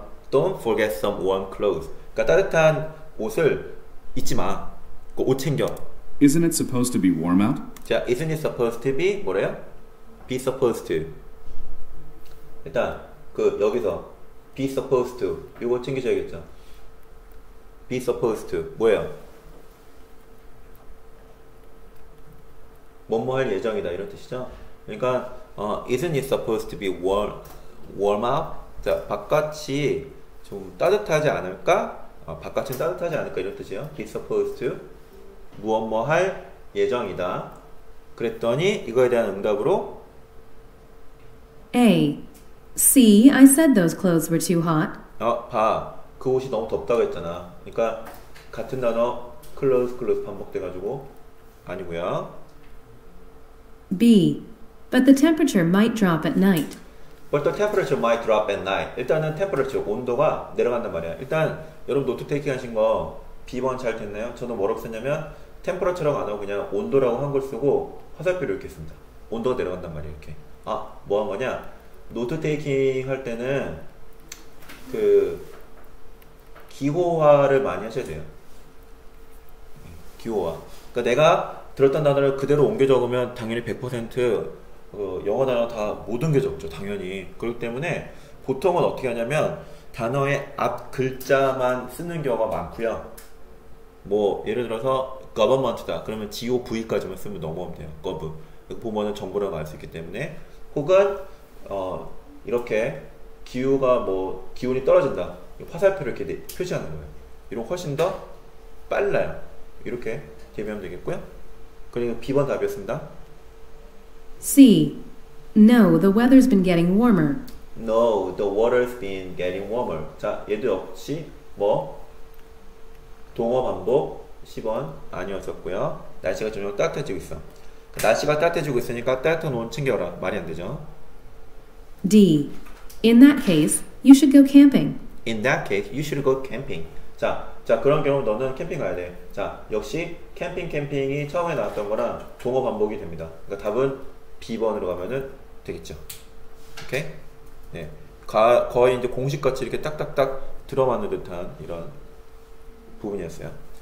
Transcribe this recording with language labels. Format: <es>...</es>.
<en>Don't forget some warm clothes.</en> <ko>그러니까 따뜻한 옷을 잊지 마. 그 옷 챙겨.</ko> <en>Isn't it supposed to be warm out?</en> <ko>자,</ko> <en>isn't it supposed to be</en> <ko>뭐래요?</ko> <en>Be supposed to.</en> <ko>일단 그 여기서 be supposed to 이거 챙기셔야겠죠.</ko> <en>Be supposed to</en> <ko>뭐예요? 뭐뭐 할 예정이다 이런 뜻이죠. 그러니까</ko> <en>isn't it supposed to be warm up?</en> <ko>자, 바깥이 좀 따뜻하지 않을까? 바깥은 따뜻하지 않을까 이런 뜻이에요. Be supposed to 뭐뭐 할 예정이다. 그랬더니 이거에 대한 응답으로</ko> <en>A. See, I said those clothes were too hot.</en> <ko>봐. 그 옷이 너무 덥다고 했잖아. 그러니까 같은 단어 close 반복돼가지고 아니고요.</ko> <en>B. But the temperature might drop at night. But the temperature might drop at night.</en> <ko>일단은 temperature, 온도가 내려간단 말이야. 일단 여러분 노트 테이킹 하신 거 B번 잘 됐나요? 저는 뭐라고 썼냐면 temperature라고 안 하고 그냥 온도라고 한 걸 쓰고 화살표를 이렇게 씁니다. 온도가 내려간단 말이야 이렇게. 아, 뭐 한 거냐? 노트 테이킹 할 때는 그 기호화를 많이 하셔야 돼요. 기호화. 그러니까 내가 들었던 단어를 그대로 옮겨 적으면 당연히 100% 영어 단어 다 못 옮겨 적죠. 당연히. 그렇기 때문에 보통은 어떻게 하냐면 단어의 앞 글자만 쓰는 경우가 많고요. 뭐 예를 들어서 government다. 그러면 GOV까지만 쓰면 넘어오면 돼요.</ko> <en>gov.</en> <ko>이거 보면은 정보라고 알 수 있기 때문에 혹은 이렇게 기후가 뭐 기온이 떨어진다. 화살표를 이렇게 표시하는 거예요. 이런 훨씬 더 빨라요. 이렇게 대비하면 되겠고요. 그리고 B번 답이었습니다.</ko> <en>C. No, the weather's been getting warmer. No, the water's been getting warmer.</en> <ko>자, 얘도 역시 뭐 동어 반복 10번 아니었었고요. 날씨가 점점 따뜻해지고 있어. 날씨가 따뜻해지고 있으니까 따뜻한 옷 챙겨라. 말이 안 되죠.</ko> <en>D. In that case, you should go camping. In that case, you should go camping.</en> <ko>자, 그런 경우 너는 캠핑 가야 돼. 자, 역시 캠핑이 처음에 나왔던 거랑 동어 반복이 됩니다. 그러니까 답은 B번으로 가면은 되겠죠. 오케이? 네. 거의 이제 공식같이 이렇게 딱딱딱 들어맞는 듯한 이런 부분이었어요.</ko>